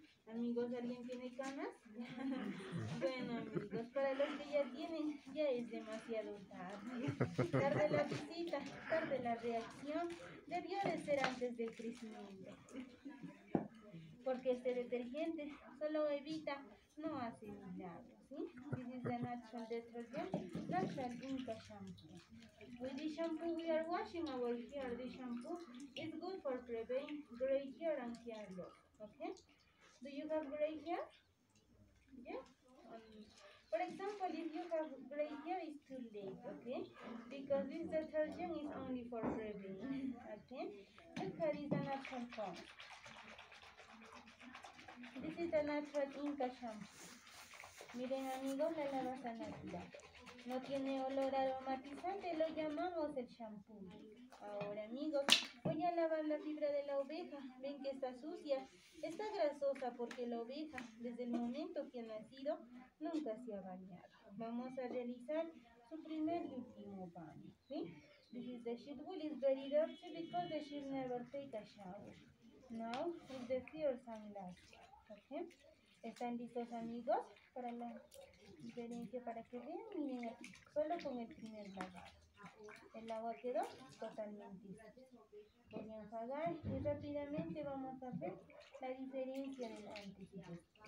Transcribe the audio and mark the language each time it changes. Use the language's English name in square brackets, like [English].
[Spanish] Amigos, ¿alguien tiene canas? Bueno, amigos, para los que ya tienen, ya es demasiado tarde. Tarde la visita, tarde la reacción, debió de ser antes del crecimiento. Porque este detergente solo evita, no hace milagros, ¿sí? [English] This is the natural detergent, natural Inca shampoo. With this shampoo we are washing our hair. This shampoo is good for preventing gray hair and hair loss, ¿okay? Do you have gray hair? Yeah? For example, if you have gray hair, it's too late, okay? Because this detergent is only for prevention, okay? The hair is a natural form. This is a natural Inca shampoo. [Spanish] Miren, amigos, la lavaza natural. No tiene olor aromatizante, lo llamamos el shampoo. Ahora, amigos, voy a lavar la fibra de la oveja. Ven que está sucia, está grasosa porque la oveja, desde el momento que ha nacido, nunca se ha bañado. Vamos a realizar su primer y último baño, ¿sí? [English] This is the sheep wool, it's very dirty because the sheep never take a shower. Now, it's the first and last. [Spanish] ¿Están listos, amigos? Para la diferencia, para que vean, miren, solo con el primer lavado. El agua quedó totalmente. Voy a enjuagar y rápidamente vamos a ver la diferencia del antes y después.